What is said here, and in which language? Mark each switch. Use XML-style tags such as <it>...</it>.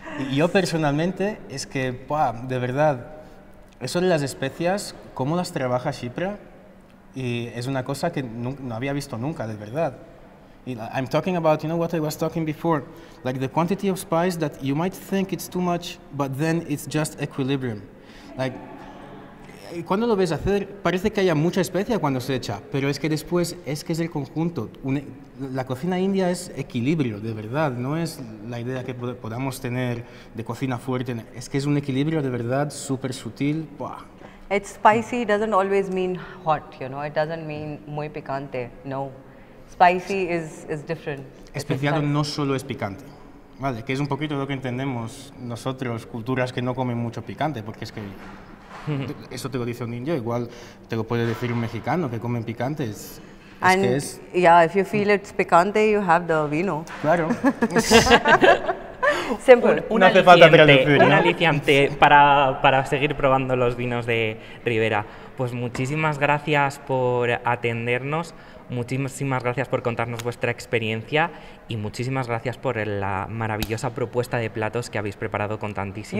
<es>Y yo personalmente, es que, ¡buah!, de verdad, eso de las especias, cómo las trabaja Shipra, y es una cosa que no había visto nunca, de verdad.</es> <en>I'm talking about, you know what I was talking before, like the quantity of spice that you might think it's too much, but then it's just equilibrium. Like,</en> <es>y cuando lo ves hacer, parece que haya mucha especia cuando se echa, pero es que después es que es el conjunto. La cocina india es equilibrio, de verdad, no es la idea que podamos tener de cocina fuerte, es que es un equilibrio de verdad súper sutil. ¡Buah!</es> <en>It's spicy doesn't always mean hot, you know, it doesn't mean</en> <es>muy picante,</es> <en>no. Spicy is different.</en> <es>Especial no solo es picante. Vale, que es un poquito lo que entendemos nosotros, culturas que no comen mucho picante, porque es que eso te lo dice un indio, igual te lo puede decir un mexicano que comen picantes. Es</es> <en>and</en> <es>que es...</es> <en>yeah, if you feel it's picante, you have the vino.</en> <es>Claro. Simple. No hace falta traducir, ¿no? Un aliciente para seguir probando los vinos de Ribera. Pues muchísimas gracias por atendernos, muchísimas gracias por contarnos vuestra experiencia y muchísimas gracias por la maravillosa propuesta de platos que habéis preparado con tantísimo</es>